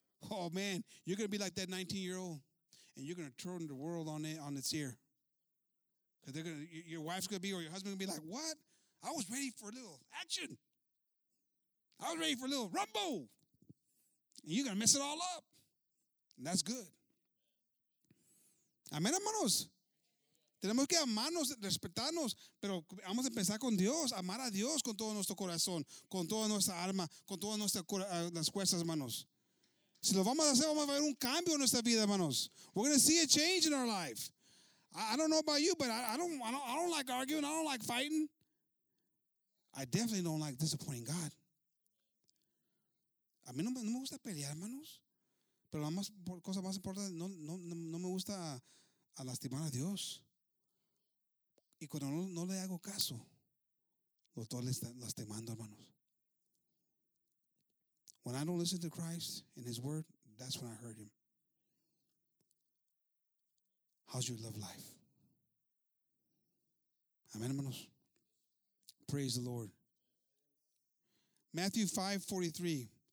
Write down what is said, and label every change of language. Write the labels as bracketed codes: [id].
[en] Oh, man, you're going to be like that 19-year-old and you're going to turn the world on its ear. Because your wife's going to be or your husband's going to be like, what? I was ready for a little action. I was ready for a little rumble. And you're going to mess it all up. And that's good. Amen, hermanos. [es] Tenemos que amarnos, respetarnos, pero vamos a empezar con Dios, amar a Dios con todo nuestro corazón, con toda nuestra alma, con todas nuestras fuerzas, hermanos. Si lo vamos a hacer, vamos a ver un cambio en nuestra vida, hermanos. [en] We're going to see a change in our life. I don't know about you, but I don't like arguing. I don't like fighting. I definitely don't like disappointing God. [es] A mí no me gusta pelear, hermanos. Pero la más, cosa más importante, no me gusta a lastimar a Dios. Y cuando no le hago caso, lo estoy lastimando, hermanos. [en] When I don't listen to Christ and His Word, that's when I hurt Him. How's your love life? Amen, hermanos. Praise the Lord. Matthew 5:43.